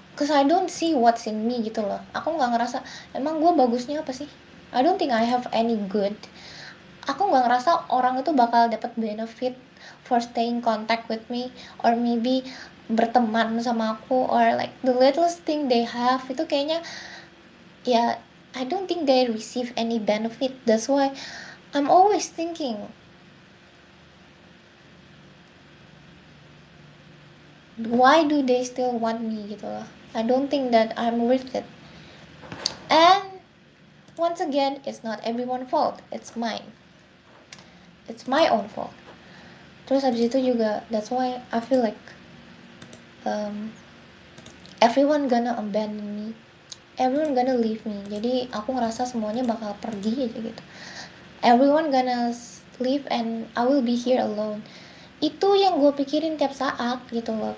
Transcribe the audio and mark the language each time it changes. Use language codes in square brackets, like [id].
[en] Cause I don't see what's in me [id] gitu loh. Aku gak ngerasa emang gue bagusnya apa sih. [en] I don't think I have any good. [id] Aku gak ngerasa orang itu bakal dapat [en] benefit for staying contact with me, or maybe [id] berteman sama aku, [en] or like the littlest thing they have [id] itu kayaknya ya, [en] I don't think they receive any benefit. That's why I'm always thinking why do they still want me [id] gitu loh. [en] I don't think that I'm worth it. And once again, it's not everyone's fault, it's mine. It's my own fault. [id] Terus abis itu juga, [en] that's why I feel like everyone gonna abandon me, everyone gonna leave me. [id] Jadi aku ngerasa semuanya bakal pergi aja gitu. [en] Everyone gonna leave and I will be here alone. [id] Itu yang gue pikirin tiap saat gitu loh.